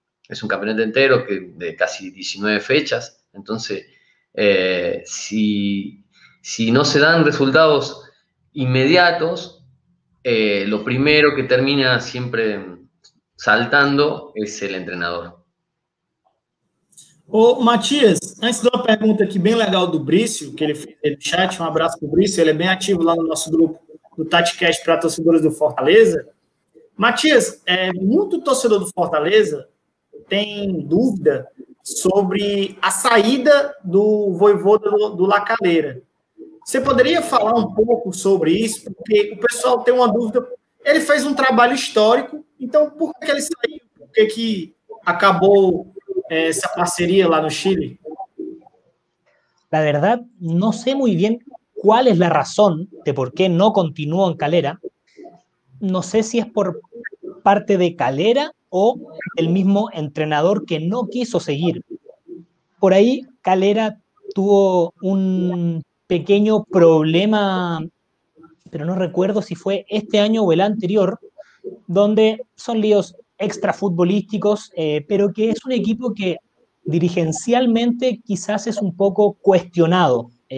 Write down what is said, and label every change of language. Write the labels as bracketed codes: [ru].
[es] Es un campeonato entero de casi 19 fechas. Entonces, si no se dan resultados inmediatos, lo primero que termina siempre saltando es el entrenador. [pt] Ô, Matias, antes de uma pergunta aqui bem legal do Brício, que ele fez no chat, um abraço pro Brício, ele é bem ativo lá no nosso grupo do TatiCast para torcedores do Fortaleza. Matias, muito torcedor do Fortaleza tem dúvida sobre a saída do Vojvoda do La Calera. Você poderia falar um pouco sobre isso? Porque o pessoal tem uma dúvida. Ele fez um trabalho histórico, então por que ele saiu? Por que que acabou essa parceria lá no Chile? [es] La verdad, no sé muy bien cuál es la razón de por qué no continuó en Calera. No sé si es por parte de Calera o el mismo entrenador que no quiso seguir. Por ahí, Calera tuvo un pequeño problema, pero no recuerdo si fue este año o el anterior, donde son líos extrafutbolísticos, pero que es un equipo que dirigencialmente quizás es un poco cuestionado.